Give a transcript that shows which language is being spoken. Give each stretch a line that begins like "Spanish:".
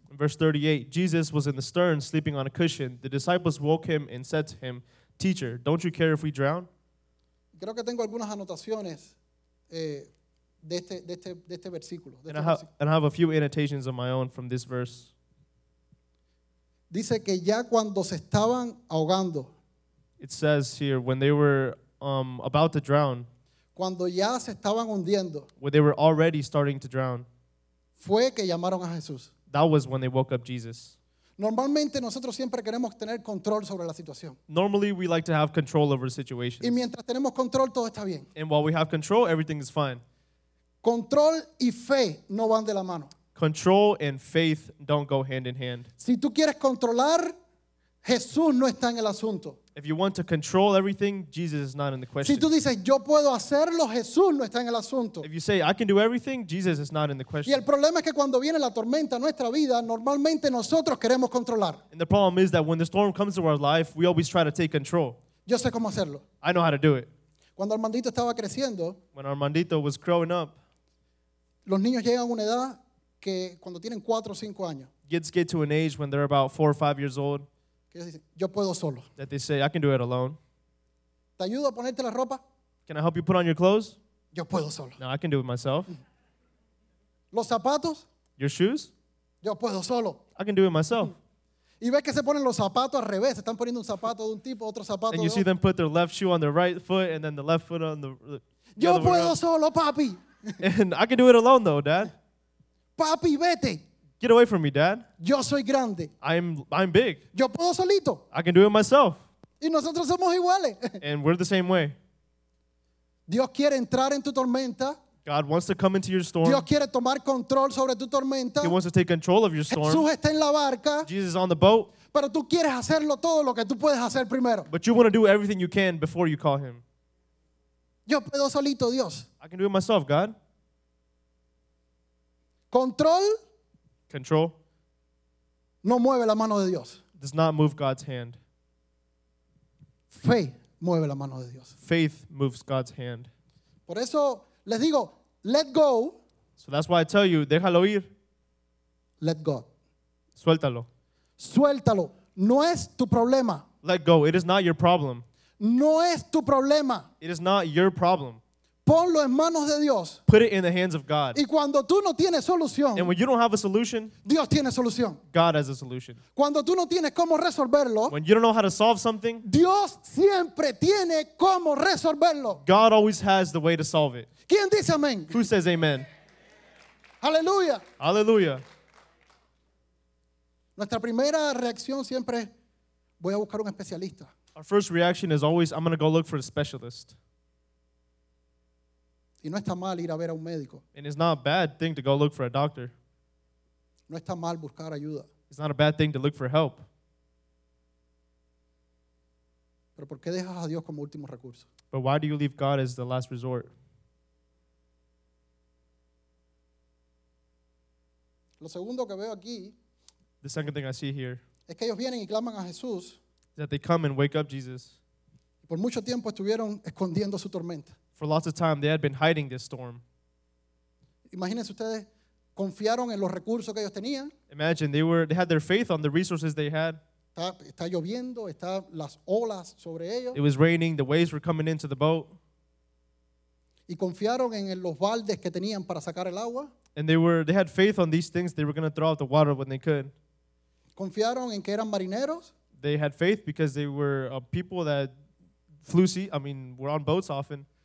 English: In verse 38, Jesus was in the stern sleeping on a cushion. The disciples woke him and said to him, Teacher, don't you care if we drown?
Spanish: Creo que tengo algunas anotaciones. De este versículo, de
English: and,
Spanish: este versículo.
English: And I have a few annotations of my own from this verse.
Spanish: Dice que ya cuando se estaban ahogando.
English: It says here, when they were about to drown.
Spanish: Cuando ya se estaban hundiendo.
English: When they were already starting to drown.
Spanish: Fue que llamaron a Jesús.
English: That was when they woke up Jesus.
Spanish: Normalmente nosotros siempre queremos tener control sobre la situación.
English: Normally we like to have control over situations.
Spanish: Y mientras tenemos control todo está bien.
English: And while we have control everything is fine.
Spanish: Control y fe no van de la mano.
English: Control and faith don't go hand in hand.
Spanish: Si tú quieres controlar, Jesús no está en el asunto.
English: If you want to control everything, Jesus is not in the question.
Spanish: Si tú dices, yo puedo hacerlo, Jesús no está en el asunto.
English: If you say, I can do everything, Jesus is not in the question.
Spanish: Y el problema es que cuando viene la tormenta a nuestra vida, normalmente nosotros queremos controlar.
English: And the problem is that when the storm comes to our life, we always try to take control.
Spanish: Yo sé cómo hacerlo.
English: I know how to do it.
Spanish: Cuando Armandito estaba creciendo,
English: when Armandito was growing up,
Spanish: los niños llegan a una edad que cuando tienen 4 o 5 años.
English: Kids get to an age when they're about 4 or 5 years old.
Spanish: Yo puedo solo.
English: That they say, I can do it alone.
Spanish: ¿Te ayudo a ponerte la ropa?
English: Can I help you put on your clothes?
Spanish: Yo puedo solo.
English: No, I can do it myself.
Spanish: ¿Los zapatos?
English: Your shoes?
Spanish: Yo puedo solo.
English: I can do it myself.
Spanish: ¿Y ves que se ponen los zapatos al revés? Están poniendo un zapato de un tipo, otro zapato de otro.
English: And you see them put their left shoe on their right foot and then the left foot on the
Spanish: Yo puedo solo, papi.
English: And I can do it alone though, Dad.
Spanish: Papi, vete.
English: Get away from me, Dad.
Spanish: Yo soy grande.
English: I'm big.
Spanish: Yo puedo solito.
English: I can do it myself.
Spanish: Y nosotros somos iguales.
English: And we're the same way.
Spanish: Dios quiere entrar en tu tormenta.
English: God wants to come into your storm.
Spanish: Dios quiere tomar control sobre tu tormenta.
English: He wants to take control of your storm.
Spanish: Jesús está en la barca.
English: Jesus is on the boat.
Spanish: Pero tú quieres hacerlo todo lo que tú puedes hacer primero.
English: But you want to do everything you can before you call him.
Spanish: Yo puedo solito, Dios.
English: I can do it myself, God.
Spanish: Control.
English: Control.
Spanish: No mueve la mano de Dios.
English: Does not move God's hand.
Spanish: Fe mueve la mano de Dios.
English: Faith moves God's hand.
Spanish: Por eso les digo,
English: let go. So that's why I tell you,
Spanish: déjalo ir.
English: Let God.
Spanish: Suéltalo. Suéltalo. No es tu problema.
English: Let go. It is not your problem.
Spanish: No es tu problema.
English: It is not your problem.
Spanish: Ponlo en manos de Dios.
English: Put it in the hands of God.
Spanish: Y cuando tú no tienes solución,
English: and when you don't have a solution,
Spanish: Dios tiene solución.
English: God has a solution.
Spanish: Cuando tú no tienes cómo resolverlo,
English: when you don't know how to solve something,
Spanish: Dios siempre tiene cómo resolverlo.
English: God always has the way to solve it.
Spanish: ¿Quién dice amén?
English: Who says amen?
Spanish: Aleluya.
English: Aleluya.
Spanish: Nuestra primera reacción siempre voy a buscar un especialista.
English: Our first reaction is always, I'm going to go look for a specialist.
Spanish: Y no está mal ir a ver a un médico.
English: And it's not a bad thing to go look for a doctor.
Spanish: No está mal buscar ayuda.
English: It's not a bad thing to look for help.
Spanish: Pero ¿por qué dejas a Dios como último recurso?
English: But why do you leave God as the last resort?
Spanish: Lo segundo que veo aquí,
English: the second thing I see here,
Spanish: es que ellos vienen y claman a Jesús,
English: is that they come and wake up Jesus.
Spanish: Por mucho tiempo estuvieron escondiendo su tormenta.
English: For lots of time, they had been hiding this storm.
Spanish: Imagínense ustedes, confiaron en los recursos que ellos tenían.
English: Imagine, they had their faith on the resources they had.
Spanish: Está lloviendo, está las olas sobre ellos.
English: It was raining, the waves were coming into the boat.
Spanish: Y confiaron en los baldes que tenían para sacar el agua.
English: And they had faith on these things, they were going to throw out the water when they could.
Spanish: Confiaron en que eran marineros.
English: They had faith because they were people that flew sea, were on boats often.